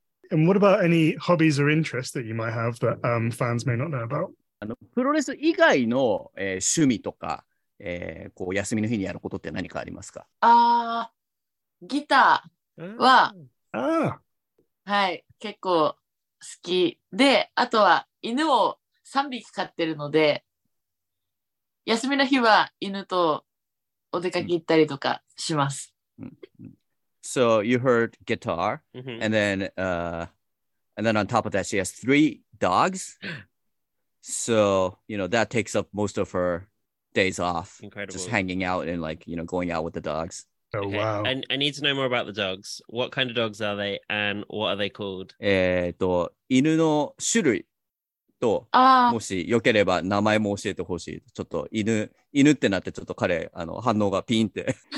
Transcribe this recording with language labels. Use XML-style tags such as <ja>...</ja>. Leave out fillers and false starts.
<en>And what about any hobbies or interests that you might have that fans may not know about?</en> <ja>プロレス以外の、趣味とか、こう休みの日にやることって何かありますか？ギターは、 oh. はい、結構好きで、あとは犬を3匹飼ってるので、休みの日は犬とお出かけ行ったりとかします。</ja> <en>So you heard guitar, and then on top of that, she has 3 dogs. So, you know, that takes up most of her days off. Incredible. Just hanging out and, like, you know, going out with the dogs. Oh, okay. Wow. And I need to know more about the dogs. What kind of dogs are they and what are they called?</en> <ja>犬の種類と、もしよければ名前も教えてほしい。ちょっと犬ってなってちょっと彼、反応がピンって。</ja>